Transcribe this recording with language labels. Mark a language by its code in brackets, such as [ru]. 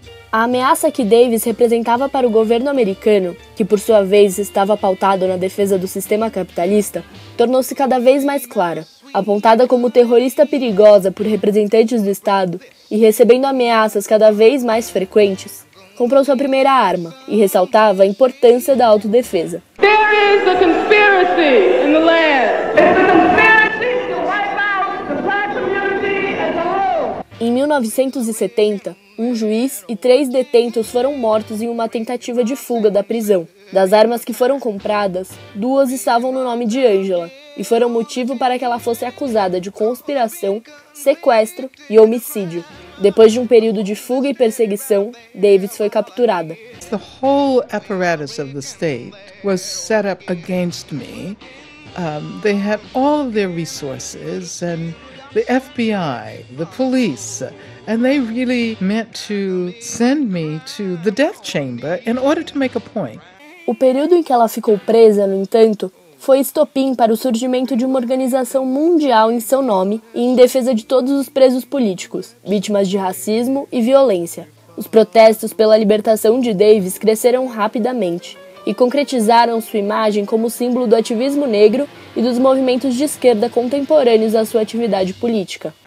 [pt] A ameaça que Davis representava para o governo americano, que por sua vez estava pautado na defesa do sistema capitalista, tornou-se cada vez mais clara. Apontada como terrorista perigosa por representantes do Estado e recebendo ameaças cada vez mais frequentes, comprou sua primeira arma e ressaltava a importância da autodefesa. [en] There is a conspiracy in the land. There's a conspiracy to wipe out the black community as a whole. [pt] Em 1970, um juiz e 3 detentos foram mortos em uma tentativa de fuga da prisão. Das armas que foram compradas, 2 estavam no nome de Angela e foram motivo para que ela fosse acusada de conspiração, sequestro e homicídio. Depois de um período de fuga e perseguição, Davis foi capturada. [en] The whole apparatus of the state was set up against me. They had all of their resources and the FBI, the police, and they really meant to send me to the death chamber in order to make a point. [pt] O período em que ela ficou presa, no entanto, foi estopim para o surgimento de uma organização mundial em seu nome e em defesa de todos os presos políticos, vítimas de racismo e violência. Os protestos pela libertação de Davis cresceram rapidamente e concretizaram sua imagem como símbolo do ativismo negro e dos movimentos de esquerda contemporâneos à sua atividade política.